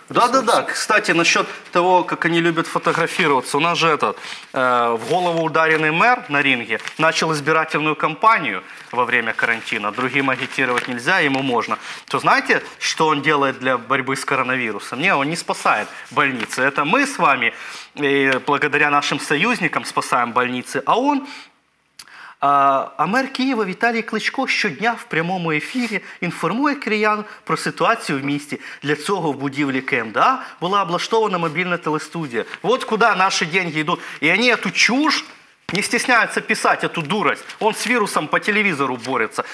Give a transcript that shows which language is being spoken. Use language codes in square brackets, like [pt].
[ru] Да-да-да, кстати, насчет того, как они любят фотографироваться. У нас же этот, в голову ударенный мэр на ринге начал избирательную кампанию во время карантина. Другим агитировать нельзя, ему можно. То знаете, что он делает для борьбы с коронавирусом? Не, он не спасает больницы. Это мы с вами, благодаря нашим союзникам, спасаем больницы, а он... [uk] А мэр Києва Віталій Кличко щодня в прямому ефірі інформує киян про ситуацію в місті. Для цього в будівлі КМДА була облаштована мобільна телестудія. От куди наші гроші йдуть. І вони цю чушь [ru] не стесняется писать эту дурость. Он с вирусом по телевизору борется.